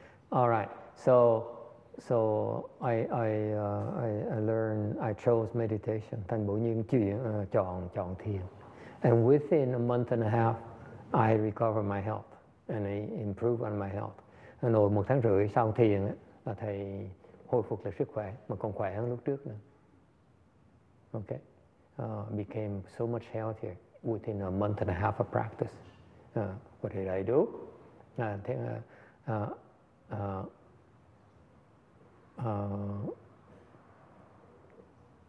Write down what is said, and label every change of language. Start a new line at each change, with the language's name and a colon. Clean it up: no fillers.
English: All right. So I chose meditation.
Vietnamese: Thành bổ nhiên chọn thiền.
English: And within a month and a half I recover my health and I improve on my health.
Vietnamese: And rồi một tháng rưỡi sau thiền á, là thầy hồi phục lại sức khỏe mà còn khỏe hơn lúc trước nữa.
English: Okay. Became so much healthier within a month and a half of practice. What did I do? Then